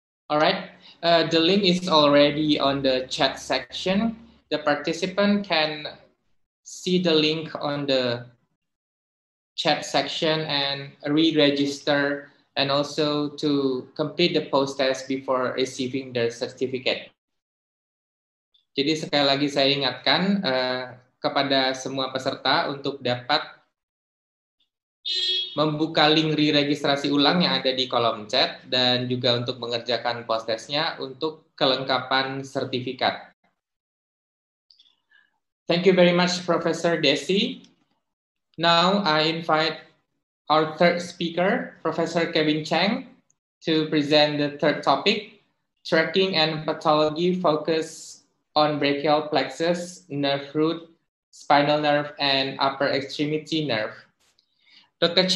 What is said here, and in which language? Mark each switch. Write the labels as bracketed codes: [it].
[en] All right, the link is already on the chat section. The participant can see the link on the chat section and re-register and also to complete the post-test before receiving their certificate. [id] Jadi sekali lagi saya ingatkan kepada semua peserta untuk dapat membuka link re-registrasi ulang yang ada di kolom chat dan juga untuk mengerjakan post-testnya untuk kelengkapan sertifikat. [en] Thank you very much, Professor Desi. Now I invite our third speaker, Professor Kevin Cheng, to present the third topic, Tracking and Pathology Focus on Brachial Plexus, Nerve Root, Spinal Nerve, and Upper Extremity Nerve. Dr.